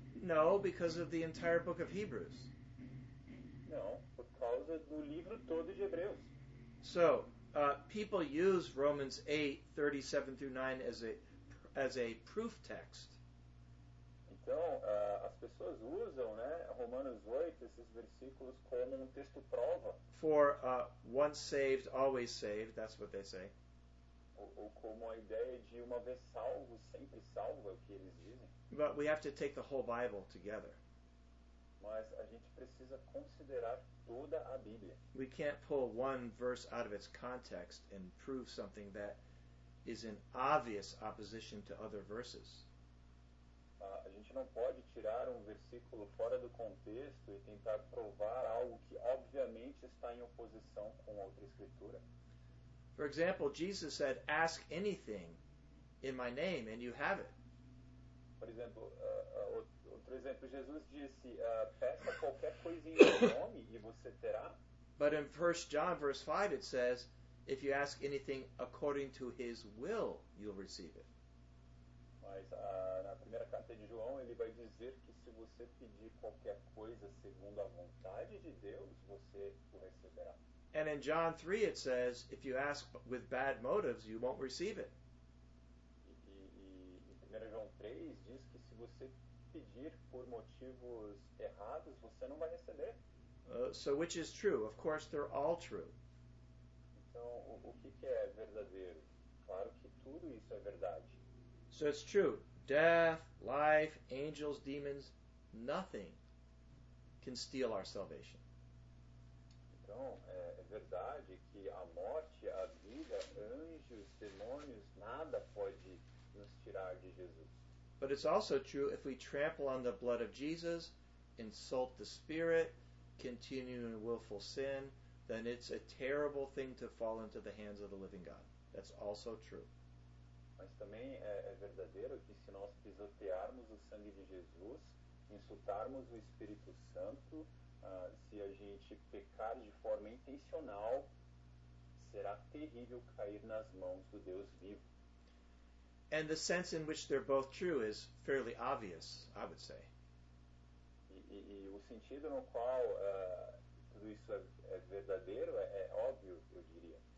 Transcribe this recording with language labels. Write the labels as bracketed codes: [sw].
[en] No, because of the entire book of Hebrews. [pt] Não, por causa do livro todo de Hebreus. [en] So, people use Romans 8, 37 through 9 as a proof text. [pt] Então, as pessoas usam, né, Romanos 8, esses versículos, como um texto prova. [en] For once saved, always saved, that's what they say. [pt] ou como a ideia de uma vez salvo, sempre salvo, é o que eles dizem. [en] But we have to take the whole Bible together. [pt] Mas a gente precisa considerar toda a Bíblia. [en] We can't pull one verse out of its context and prove something that is in obvious opposition to other verses. [pt] A gente não pode tirar um versículo fora do contexto e tentar provar algo que obviamente está em oposição com outra escritura. [en] For example, Jesus said, "Ask anything in my name and you have it." [pt] Por exemplo, outro exemplo, Jesus disse, "Peça qualquer coisa em meu nome e você terá." [en] But in 1 John verse 5 it says, "If you ask anything according to his will, you'll receive it." [pt] Mas na primeira carta de João, ele vai dizer que se você pedir qualquer coisa segundo a vontade de Deus, você o receberá. [en] And in John 3 it says, "If you ask with bad motives, you won't receive it." [pt] E 1 João 3 diz que se você pedir por motivos errados, você não vai receber. [en] So which is true? Of course they're all true. [pt] Então, o que que é verdadeiro? Claro que tudo isso é verdade. [en] So it's true. Death, life, angels, demons, nothing can steal our salvation. [pt] Então, é verdade que a morte, a vida, anjos, demônios, nada pode nos tirar de Jesus. [en] But it's also true if we trample on the blood of Jesus, insult the Spirit, continue in willful sin, then it's a terrible thing to fall into the hands of the living God. That's also true. [pt] Mas também é verdadeiro que se nós pisotearmos o sangue de Jesus, insultarmos o Espírito Santo, se a gente pecar de forma intencional, será terrível cair nas mãos do Deus vivo. [en] And the sense in which they're both true is fairly obvious, I would say. [pt] E o sentido no qual tudo isso é verdadeiro é óbvio, eu diria.